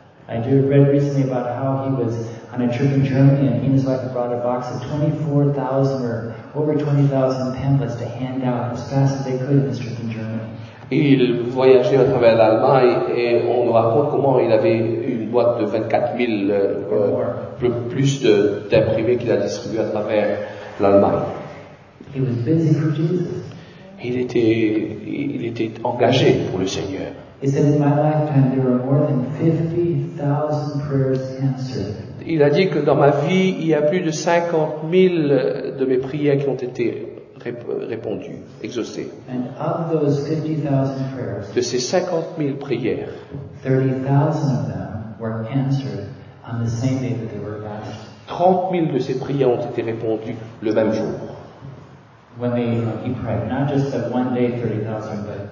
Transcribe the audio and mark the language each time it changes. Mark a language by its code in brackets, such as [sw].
[en] I read recently about how he was on a trip in Germany and he and his wife brought a box of 24,000 or over 20,000 pamphlets to hand out as fast as they could in this trip in Germany. [fr] Il voyageait à travers l'Allemagne et on nous raconte comment il avait une boîte de 24 000 plus d'imprimés qu'il a distribués à travers l'Allemagne. [en] He was busy for Jesus. [fr] Il était engagé pour le Seigneur. [en] He said, in my lifetime, there were more than 50,000 prayers answered. [fr] Il a dit que dans ma vie, il y a plus de 50 000 de mes prières qui ont été répondu, exaucé. [en] And of those 50,000 prayers, [fr] de ces 50 000 prières, [en] 30,000 of them were answered on the same day that they were asked. [fr] 30 000 de ces prières ont été répondues le même jour. [en] When he prayed, not just that one day 30,000, but